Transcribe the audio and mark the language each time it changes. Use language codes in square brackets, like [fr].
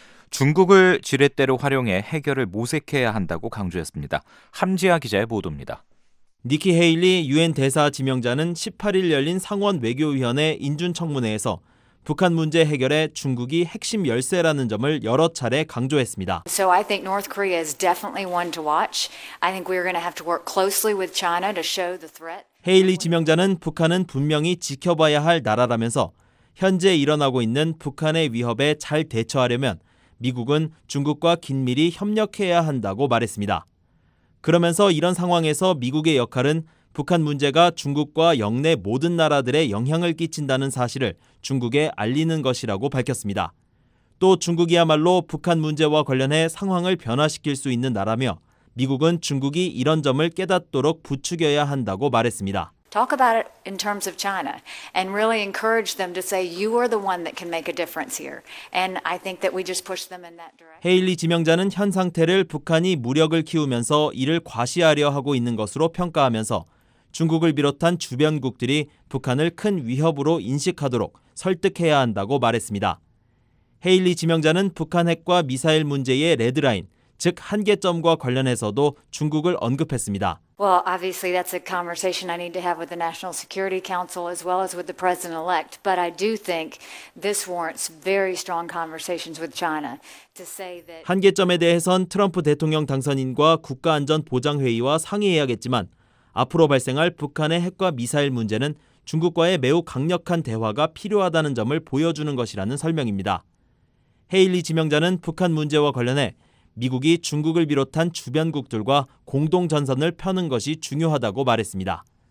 [ko] 중국을 지렛대로 활용해 해결을 모색해야 한다고 강조했습니다. 함지아 기자의 보도입니다. 니키 헤일리 유엔 대사 지명자는 18일 열린 상원 외교위원회 인준 청문회에서 북한 문제 해결에 중국이 핵심 열쇠라는 점을 여러 차례 강조했습니다. [en] So I think North Korea is definitely one to watch. I think we're going to have to work closely with China to show the threat. [ko] 헤일리 지명자는 북한은 분명히 지켜봐야 할 나라라면서 현재 일어나고 있는 북한의 위협에 잘 대처하려면 미국은 중국과 긴밀히 협력해야 한다고 말했습니다. 그러면서 이런 상황에서 미국의 역할은 북한 문제가 중국과 역내 모든 나라들의 영향을 끼친다는 사실을 중국에 알리는 것이라고 밝혔습니다. 또 중국이야말로 북한 문제와 관련해 상황을 변화시킬 수 있는 나라며 미국은 중국이 이런 점을 깨닫도록 부추겨야 한다고 말했습니다. [en] Talk about it in terms of China and really encourage them to say you are the one that can make a difference here. And I think that we just push them in that direction. [ko] 헤일리 지명자는 현 상태를 북한이 무력을 키우면서 이를 과시하려 하고 있는 것으로 평가하면서 중국을 비롯한 주변국들이 북한을 큰 위협으로 인식하도록 설득해야 한다고 말했습니다. 헤일리 지명자는 북한 핵과 미사일 문제의 레드라인, 즉 한계점과 관련해서도 중국을 언급했습니다. [en] Well, obviously that's a conversation I need to have with the National Security Council as well as with the President-elect. But I do think this warrants very strong conversations with China to say that [ko] 한계점에 대해선 트럼프 대통령 당선인과 국가안전보장회의와 상의해야겠지만 앞으로 발생할 북한의 핵과 미사일 문제는 중국과의 매우 강력한 대화가 필요하다는 점을 보여주는 것이라는 설명입니다. 헤일리 지명자는 북한 문제와 관련해 미국이 중국을 비롯한 주변국들과 공동전선을 펴는 것이 중요하다고 말했습니다.